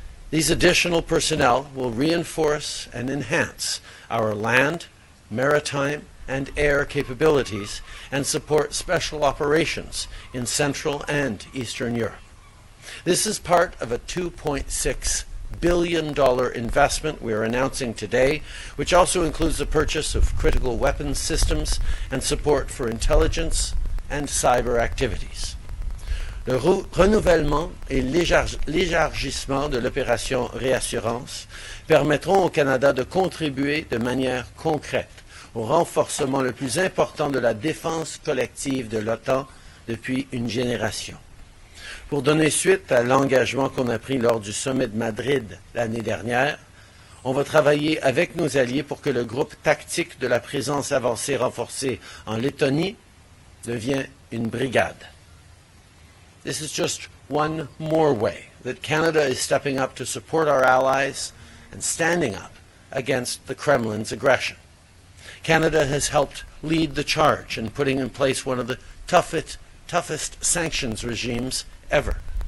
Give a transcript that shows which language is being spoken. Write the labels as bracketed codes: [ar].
[en] These additional personnel will reinforce and enhance our land, maritime, and air capabilities and support special operations in Central and Eastern Europe. This is part of a $2.6 billion investment we are announcing today, which also includes the purchase of critical weapons systems and support for intelligence and cyber activities. [fr] Le renouvellement et l'élargissement de l'opération Réassurance permettront au Canada de contribuer de manière concrète au renforcement le plus important de la défense collective de l'OTAN depuis une génération. Pour donner suite à l'engagement qu'on a pris lors du sommet de Madrid l'année dernière, on va travailler avec nos alliés pour que le groupe tactique de la présence avancée renforcée en Lettonie devienne une brigade. [en] This is just one more way that Canada is stepping up to support our allies and standing up against the Kremlin's aggression. Canada has helped lead the charge in putting in place one of the toughest sanctions regimes ever.